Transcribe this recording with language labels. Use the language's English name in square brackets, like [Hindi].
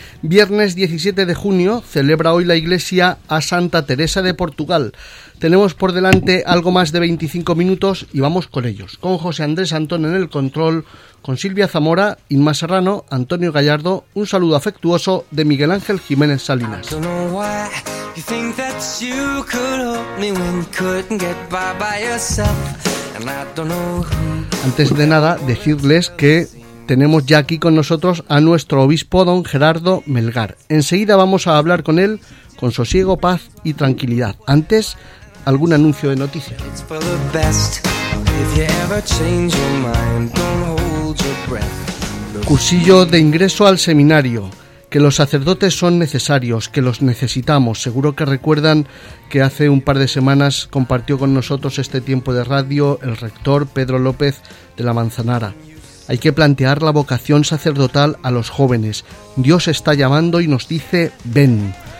[Spanish] Viernes 17 de junio celebra hoy la Iglesia a Santa Teresa de Portugal. Tenemos por delante algo más de 25 minutos y vamos con ellos. Con José Andrés Antón en el control, con Silvia Zamora, Inma Serrano, Antonio Gallardo, un saludo afectuoso de Miguel Ángel Jiménez Salinas. [English] You think that you could hold me when you couldn't get by yourself, and I don't know who. [Spanish] Antes de nada, decirles que tenemos ya aquí con nosotros a nuestro obispo don Gerardo Melgar. Enseguida vamos a hablar con él con sosiego, paz y tranquilidad. Antes, algún anuncio de noticias. [English] It's for the best. If you ever change your mind, don't hold your breath. [Spanish] Cursillo de ingreso al seminario. Que los sacerdotes son necesarios, que los necesitamos. Seguro que recuerdan que hace un par de semanas compartió con nosotros este tiempo de radio el rector Pedro López de la Manzanara. Hay que plantear la vocación sacerdotal a los jóvenes. Dios está llamando y nos dice, ven.